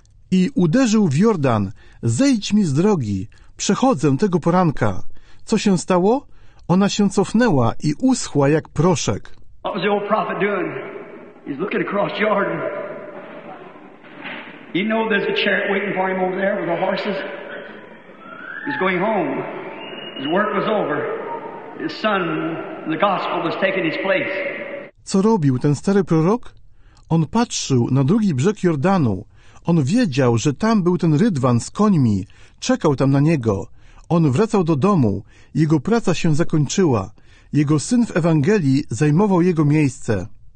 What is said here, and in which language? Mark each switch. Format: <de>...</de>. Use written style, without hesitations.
<pl>I uderzył w Jordan: zejdź mi z drogi, przechodzę tego poranka. Co się stało? Ona się cofnęła i uschła jak proszek.</pl> <en>What was the old prophet doing? He's looking across Jordan. He knows there's a chariot waiting for him over there with the horses. He's going home. His work was over. His son, the gospel, was taking his place.</en> <pl>Co robił ten stary prorok? On patrzył na drugi brzeg Jordanu. On wiedział, że tam był ten rydwan z końmi. Czekał tam na niego. On wracał do domu. Jego praca się zakończyła. Jego syn w Ewangelii zajmował jego miejsce.</pl>